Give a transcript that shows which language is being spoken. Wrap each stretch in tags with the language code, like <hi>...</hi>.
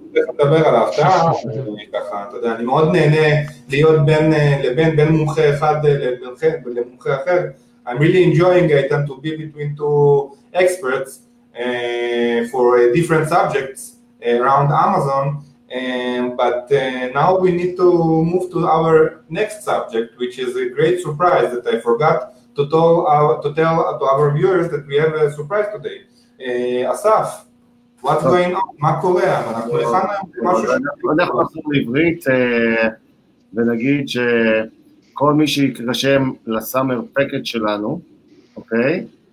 <he>צריך לדבר על ההפתעה, ככה, אתה יודע, אני מאוד נהנה להיות בין מומחה אחד למומחה אחר.</he> <en>I'm really enjoying it to be between two experts for different subjects around Amazon. But now we need to move to our next subject, which is a great surprise that I forgot to tell our viewers that we have a surprise today. Asaf, what's going on?</en> <he>מה קורה? אנחנו נחזור לעברית ונגיד שכל מי שיקרשם לסאמר פקט שלנו, אוקיי?</he>